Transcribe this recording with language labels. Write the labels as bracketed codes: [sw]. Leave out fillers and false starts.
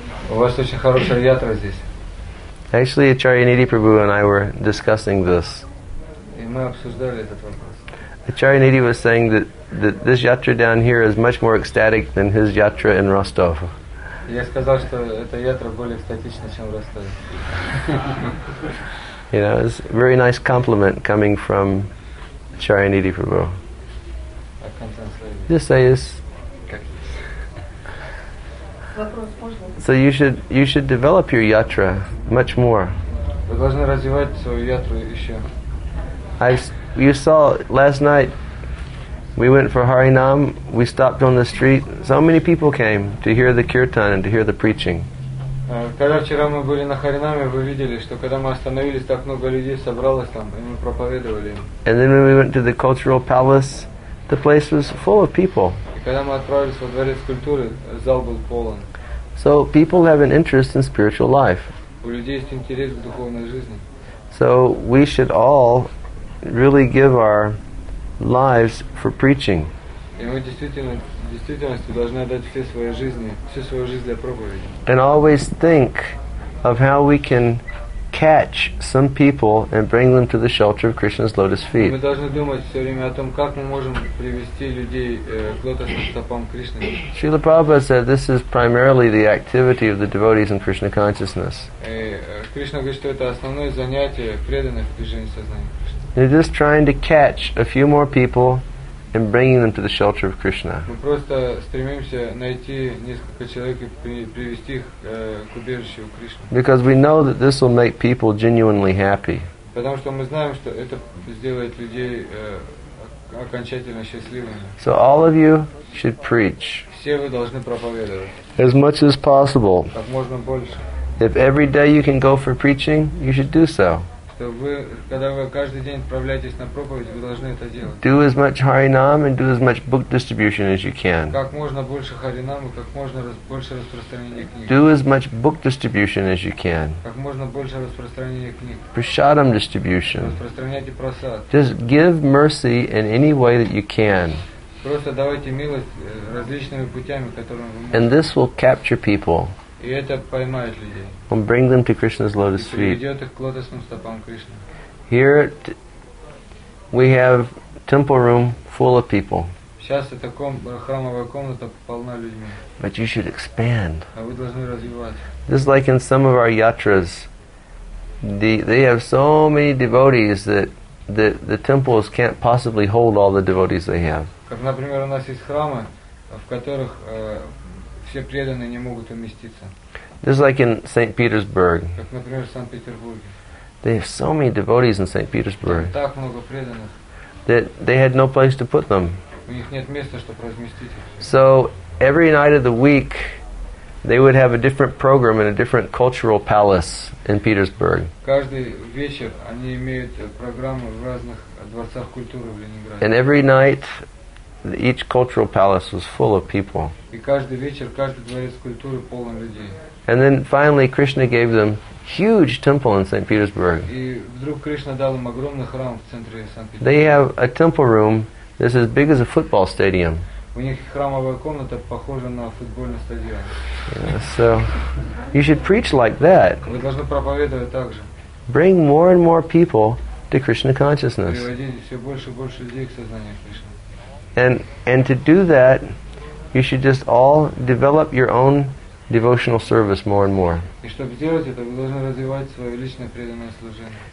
[ru] У вас очень хорошая ятра здесь. [en] Actually, Acharya Niti Prabhu and I were discussing this. [ru] И мы обсуждали этот вопрос. [en] Acharya Niti was saying that this yatra down here is much more ecstatic than his yatra in Rostov. [ru] Я сказал, что эта ятра более экстатична, чем в Ростове. [en] You know, it's a very nice compliment coming from Acharya Niti Prabhu. Just say yes. So you should develop your yatra much more. [ru] Вы должны развивать свою ятру еще. [en] You saw last night. We went for Harinam, we stopped on the street. So many people came to hear the kirtan and to hear the preaching. [ru] Когда вчера мы были на Харинаме, вы видели, что когда мы остановились, так много людей собралось там, и мы проповедовали. [en] And then when we went to the cultural palace, the place was full of people. [ru] И когда мы отправились во дворец культуры, зал был полон. [en] So people have an interest in spiritual life. [ru] У людей есть интерес к духовной жизни. [en] So we should all really give our lives for preaching. [ru] И мы действительно должны отдать все свои жизни, всю свою жизнь для проповеди. [en] And always think of how we can catch some people and bring them to the shelter of Krishna's lotus feet. [ru] Мы должны думать все время о том, как мы можем привести людей к лотосным стопам Кришны. [en] Srila Prabhupada said this is primarily the activity of the devotees in Krishna consciousness. [ru] Кришна говорит, что это основное занятие преданных в движении сознания. [en] They're just trying to catch a few more people and bringing them to the shelter of Krishna. [ru] Мы просто стремимся найти несколько человек и привести их к убежищу Кришны. [en] Because we know that this will make people genuinely happy. [ru] Потому что мы знаем, что это сделает людей окончательно счастливыми. [en] So all of you should preach. [ru] Все вы должны проповедовать. [en] As much as possible. [ru] Как можно больше. [en] If every day you can go for preaching, you should do so. [ru] Когда вы каждый день отправляетесь на проповедь, вы должны это делать. [en] Do as much Harinam and do as much book distribution as you can. [ru] Как можно больше Харинам и как можно больше распространения книг. [en] Do as much book distribution as you can. [ru] Как можно больше распространения книг. [en] Prasadam distribution. [ru] Распространяйте просад. [en] Just give mercy in any way that you can. [ru] Просто давайте милость различными путями, которыми вы можете. [en] And this will capture people. [ru] И это поймает людей. [en] And bring them to Krishna's lotus feet. [ru] Приведет их к лотосным стопам Кришны. [en] Here we have temple room full of people. [ru] Сейчас эта храмовая комната полна людьми. [en] But you should expand. [ru] А вы должны развиваться. [en] This is like in some of our yatras. They have so many devotees that the temples can't possibly hold all the devotees they have. [ru] Как, например, у нас есть храмы, в которых все преданные не могут уместиться. [en] Just like in St. Petersburg. [ru] Как, например, в Санкт-Петербурге. [en] They have so many devotees in St. Petersburg. [ru] Так много преданных. [en] That they had no place to put them. [ru] У них нет места, чтобы разместить их. [en] So every night of the week, they would have a different program in a different cultural palace in Petersburg. [ru] Каждый вечер они имеют программу в разных дворцах культуры в Ленинграде. [en] And every night, each cultural palace was full of people. [ru] И каждый вечер каждый дворец культуры полон людей. [en] And then finally, Krishna gave them huge temple in St. Petersburg. [ru] И вдруг Кришна дал им огромный храм в центре Санкт-Петербурга. [en] They have a temple room that's as big as a football stadium. [ru] У них храмовая комната похожа на футбольный стадион. [en] So, you should preach like that. [ru] Вы должны проповедовать так же. [en] Bring more and more people to Krishna consciousness. [ru] Приводите все больше и больше людей к сознанию Кришны. [en] And to do that, you should just all develop your own devotional service more and more. [ru] И чтобы сделать это, вы должны развивать свое личное преданное служение.